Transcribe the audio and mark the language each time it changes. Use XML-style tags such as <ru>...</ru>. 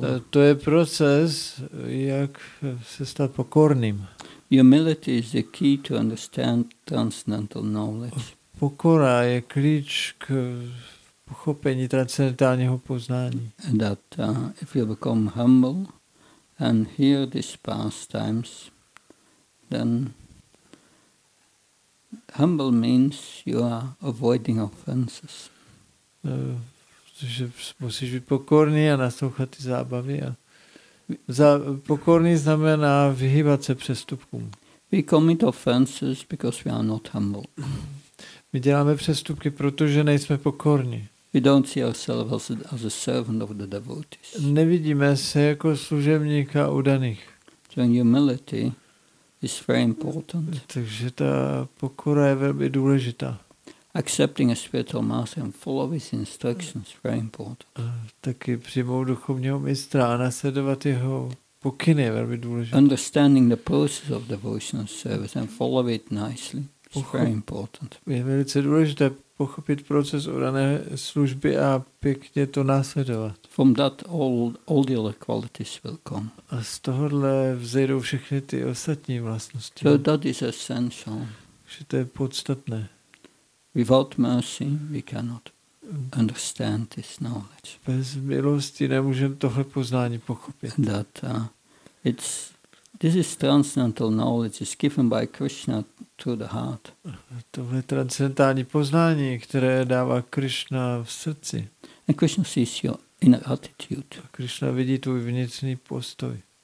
<cs>To je proces, jak se stát pokorným.</cs> <en>Humility is the key to understand transcendental knowledge.</en> <cs>Pokora je klíč k pochopení transcendentálního poznání.</cs> <en>That if you become humble and hear these pastimes, then humble means you are avoiding offenses.</en> <cs>Že musíš být pokorný a naslouchat ty zábavy. Pokorný znamená vyhýbat se přestupkům.</cs> <en>We commit offenses because we are not humble.</en> <cs>My děláme přestupky, protože nejsme pokorní.</cs> <en>We don't see ourselves as a servant of the devotees.</en> <cs>Nevidíme se jako služebníka udaných.</cs> <en>So humility is very important.</en> <cs>Takže ta pokora je velmi důležitá.</cs> <en>Accepting a spiritual master and follow his instructions is very important.</en> <cs>Taky přijmout duchovního mistra a nasledovat jeho pokyny je velmi důležité.</cs> <en>Understanding the process of devotional service and follow it nicely is very important.</en> <cs>Je velice důležité pochopit proces oddané služby a pěkně to následovat.</cs> <en>From that all the other qualities will come.</en> <cs>A z tohohle vzejdou všechny ty ostatní vlastnosti.</cs> <en>So that is essential.</en> <cs>Že to je podstatné.</cs> <en>Without mercy, we cannot understand this knowledge.</en> <cs>Bez milosti nemůžeme tohle poznání pochopit.</cs> <en>That this is transcendental knowledge is given by Krishna to the heart.</en> <cs>Tohle transcendentální poznání, které dává Krishna v srdci.</cs> <en>And Krishna sees your inner attitude.</en> <cs>A Krishna vidí tvůj vnitřní postoj.</cs>